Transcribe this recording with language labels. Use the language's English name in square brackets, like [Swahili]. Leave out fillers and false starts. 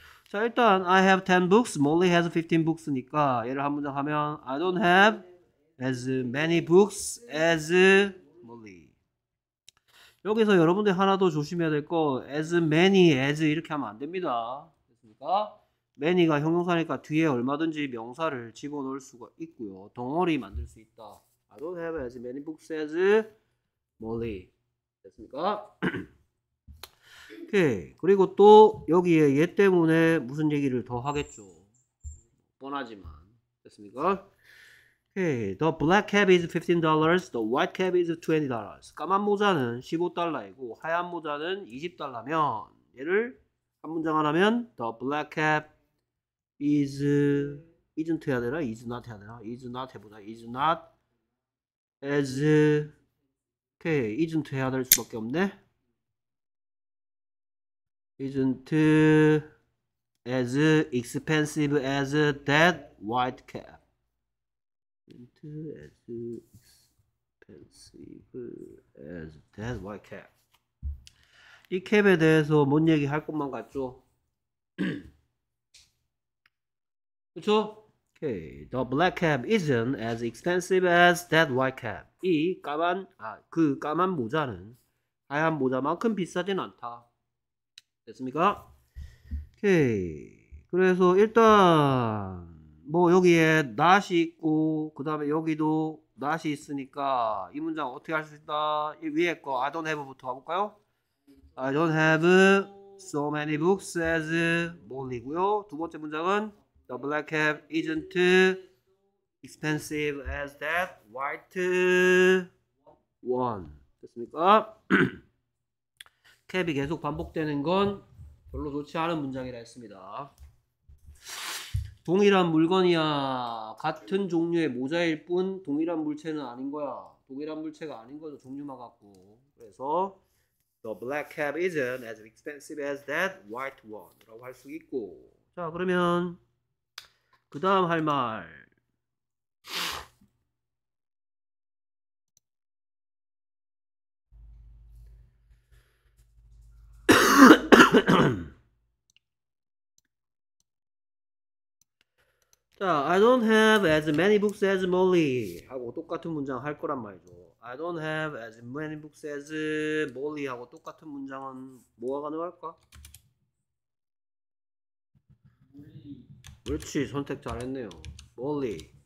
[Korean] 자, 일단 [English] I have 10 books, Molly has 15 books니까 [Korean] 얘를 한 문장 하면 [English] I don't have as many books as Molly. [Korean] 여기서 여러분들 하나 더 조심해야 될거 as many as 이렇게 하면 안 됩니다. 됐습니까? many가 형용사니까 뒤에 얼마든지 명사를 집어넣을 수가 있고요. 덩어리 만들 수 있다. [English] I don't have as many books as Molly. [Korean] 됐습니까? 오케이. 그리고 또 여기에 얘 때문에 무슨 얘기를 더 하겠죠. 뻔하지만. 됐습니까? 오케이. [English] The black cap is $15. The white cap is $20. [Korean] 까만 모자는 15달러이고 하얀 모자는 20달러면 얘를 한 문장 안 하면 [English] The black cap is isn't [Korean] 해야 되나? Is not 해야 되나? Is not 해보자. [English] Is not as okay. [Korean] Isn't 해야 될 수밖에 없네. [English] Isn't as expensive as that white cap. Isn't as expensive as that white cap. [Korean] 이 캡에 대해서 뭔 얘기 할 것만 같죠? 그쵸? Okay. [English] The black cap isn't as expensive as that white cap. [Korean] 이 까만, 아, 그 까만 모자는 하얀 모자만큼 비싸진 않다. 됐습니까? Okay. 그래서 일단, 뭐 여기에 not이 있고, 그 다음에 여기도 not이 있으니까, 이 문장 어떻게 할 수 있다? 이 위에 거 I don't have부터 가볼까요? [English] I don't have so many books as 몰리고요. [Korean] 두 번째 문장은 [English] The black cap isn't expensive as that white one. [Korean] 됐습니까? 캡이 계속 반복되는 건 별로 좋지 않은 문장이라 했습니다. 동일한 물건이야. 같은 종류의 모자일 뿐 동일한 물체는 아닌 거야. 동일한 물체가 아닌 거죠. 종류만 같고. 그래서 [English] The black cap isn't as expensive as that white one. [Korean] 라고 할 수 있고. 자, 그러면 그 다음 할 말. [English] 자, I don't have as many books as Molly. [Korean] 하고 똑같은 문장 할 거란 말이죠. [English] I don't have as many books as Molly. [Korean] 하고 똑같은 문장은 뭐가 가능할까? 그렇지, 선택 잘했네요. Molly.